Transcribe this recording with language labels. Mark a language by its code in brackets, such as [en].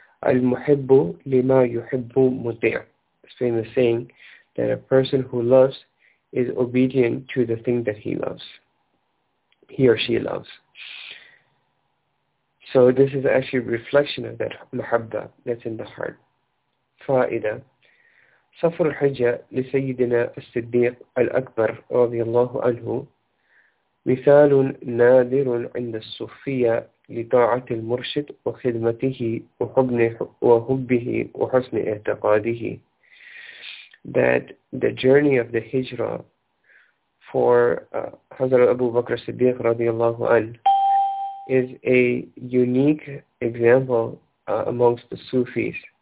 [ar] المحبُ لما يحبُ مطيع. [en] It's famous saying that a person who loves is obedient to the thing that he loves, he or she loves. So this is actually a reflection of that muhabba that's in the heart. [ar] فائدة سفر الحجة لسيدنا الصديق الأكبر رضي الله عنه مثال نادر عند الصوفية لطاعة المرشد وخدمته وحبه وحسن اعتقاده. [en] That the journey of the hijra for Hazrat Abu Bakr Siddiq رضي الله عنه is a unique example amongst the Sufis,